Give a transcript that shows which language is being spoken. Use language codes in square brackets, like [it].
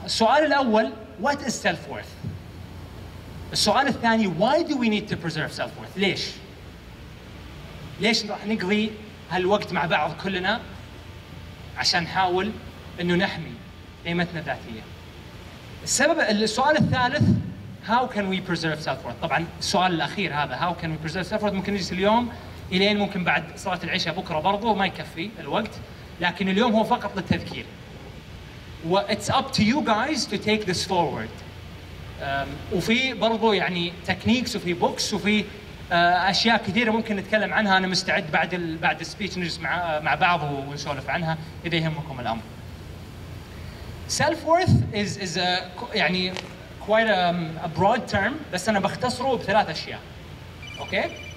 [ar] السؤال الأول [en] What is self-worth؟ [ar] السؤال الثاني [en] Why do we need to preserve self-worth؟ [ar] ليش؟ ليش راح نقضي هالوقت مع بعض كلنا عشان نحاول أنه نحمي قيمتنا الذاتية؟ السبب، السؤال الثالث [en] How can we preserve self-worth؟ [ar] طبعاً السؤال الأخير هذا How can we preserve self-worth؟ ممكن نجلس اليوم إلين ممكن بعد صلاة العشاء بكرة برضو ما يكفي الوقت، لكن اليوم هو فقط للتذكير. [en] It's up to you guys to take this forward. [ar] وفي برضو يعني techniques وفي books وفي أشياء كثيرة ممكن نتكلم عنها. أنا مستعد بعد بعد speech نجلس مع بعض ونسولف عنها إذا يهمكم الأمر. [en] Self-worth is a يعني quite a broad term، [ar] بس أنا بختصره بثلاث أشياء. [en] Okay.